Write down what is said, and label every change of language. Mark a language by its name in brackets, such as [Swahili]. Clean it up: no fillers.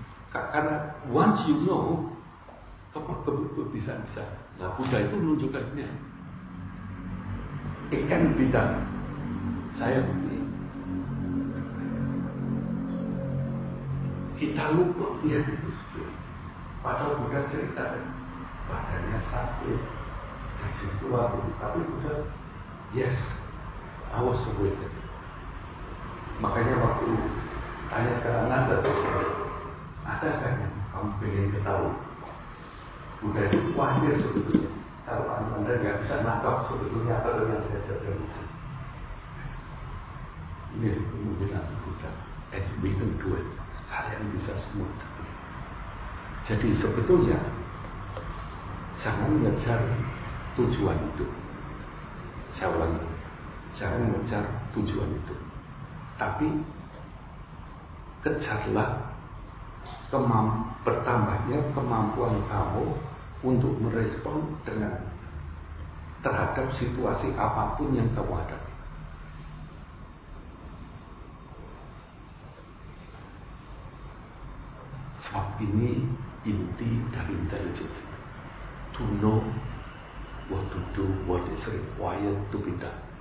[Indonesian] Karena [English] once you know, [Indonesian] kamu bisa. Nah, Buddha itu menunjukkannya. [English] It can be done. [Indonesian] Saya bukti. Kita lupa dia itu sendiri. Padahal Buddha cerita badannya sakit, daging tua, tapi Buddha, [English] yes, I was awakened. [Indonesian] Makanya waktu tanya ke Ananda, ada kan yang kamu ingin ketahui? Buddha itu wajar sebetulnya. Kalau Ananda nggak bisa nangkap sebetulnya apa yang dia ceritakan. Ini kemungkinan Buddha. [English] And we can do it. [Indonesian] Kalian bisa semua. Jadi sebetulnya, jangan mengejar tujuan itu. Saya ulangi, jangan mengejar tujuan itu. Tapi kejarlah bertambahnya kemampuan kamu untuk merespon dengan terhadap situasi apapun yang kamu hadapi. Sebab ini inti dari intelligence. [English] To know what to do, what is required to be done.